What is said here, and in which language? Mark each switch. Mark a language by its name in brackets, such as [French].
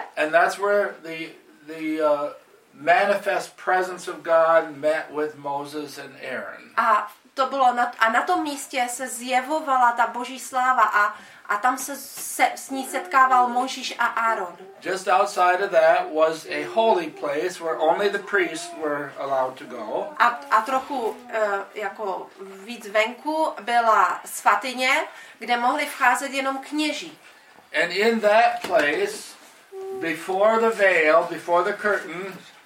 [English] And that's where the manifest presence of God met with Moses and Aaron. [Czech] A to bylo na tom místě se zjevovala ta Boží sláva a tam se s ní setkával Mojžíš a Aaron. [English] Just outside of that was a holy place where only the priests were allowed to go. [Czech] A trochu jako víc venku byla svatyně, kde mohli vcházet jenom kněží. [English] And in that place, before the veil, before the curtain,